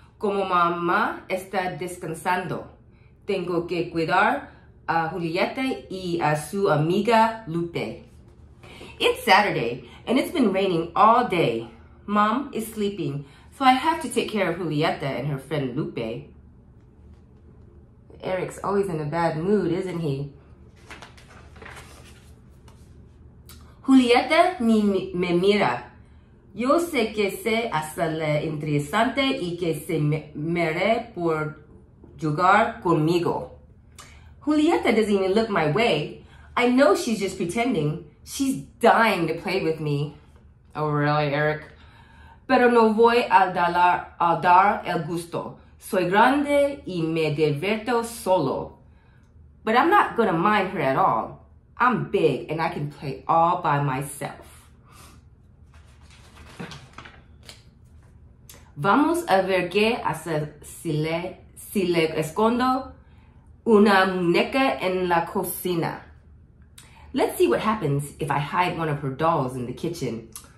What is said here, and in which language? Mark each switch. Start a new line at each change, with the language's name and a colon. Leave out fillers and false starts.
Spanish: Como mamá está descansando, tengo que cuidar a Julieta y a su amiga Lupe.
English: It's Saturday and it's been raining all day. Mom is sleeping, so I have to take care of Julieta and her friend Lupe. Eric's always in a bad mood, isn't he?
Spanish: Julieta me mira. Yo sé que sé hacerle interesante y que se merece por jugar conmigo.
English: Julieta doesn't even look my way. I know she's just pretending. She's dying to play with me. Oh, really, Eric?
Spanish: Pero no voy a dar el gusto. Soy grande y me divierto solo.
English: But I'm not gonna mind her at all. I'm big and I can play all by myself.
Spanish: Vamos a ver qué hacer si le escondo una muñeca en la cocina.
English: Let's see what happens if I hide one of her dolls in the kitchen.